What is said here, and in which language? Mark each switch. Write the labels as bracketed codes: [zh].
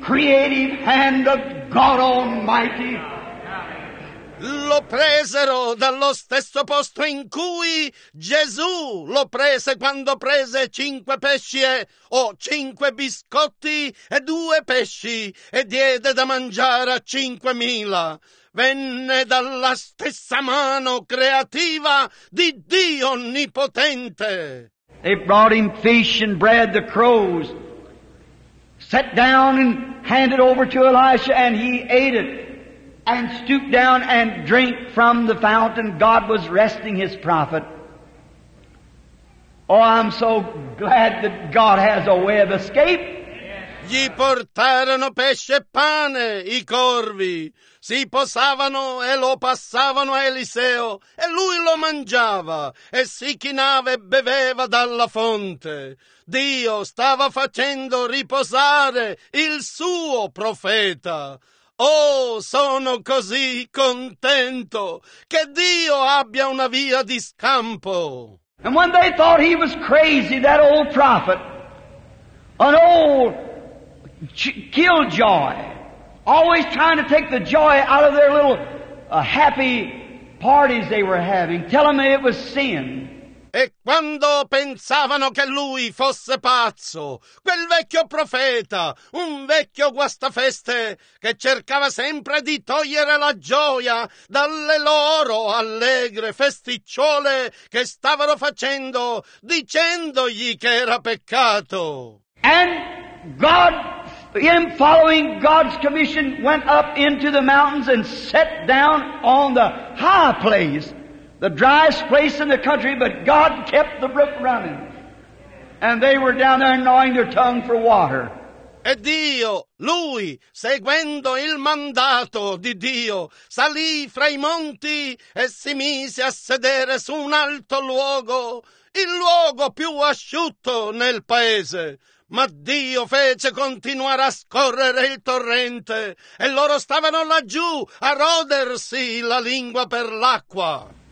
[en] creative hand of God Almighty. [it] Lo presero dallo stesso posto in cui Gesù lo prese quando prese 5 pesci e 5 biscotti e 2 pesci e diede da mangiare a 5.000. Venne dalla stessa mano creativa di Dio Onnipotente. [en] They brought him fish and bread, the crows. Sat down and handed over to Elisha and he ate it. And stooped down and drank from the fountain. God was resting his prophet. Oh, I'm so glad that God has a way of escape. [it] Gli portarono pesce e pane, i corvi. Si posavano e lo passavano a Eliseo. E lui lo mangiava e si chinava e beveva dalla fonte. Dio stava facendo riposare il suo profeta. Oh, sono così contento che Dio abbia una via di scampo. [en] And when they thought he was crazy, that old prophet, an old killjoy, always trying to take the joy out of their little happy parties they were having, telling me it was sin. [it] E quando pensavano che lui fosse pazzo, quel vecchio profeta, un vecchio guastafeste, che cercava sempre di togliere la gioia dalle loro allegre festicciole che stavano facendo, dicendogli che era peccato. [en] And God, in following God's commission, went up into the mountains and sat down on the high place. The driest place in the country, but God kept the brook running. And they were down there gnawing their tongue for water. [it] E Dio, lui, seguendo il mandato di Dio, salì fra i monti e si mise a sedere su un alto luogo, il luogo più asciutto nel paese. Ma Dio fece continuare a scorrere il torrente e loro stavano laggiù a rodersi la lingua per l'acqua.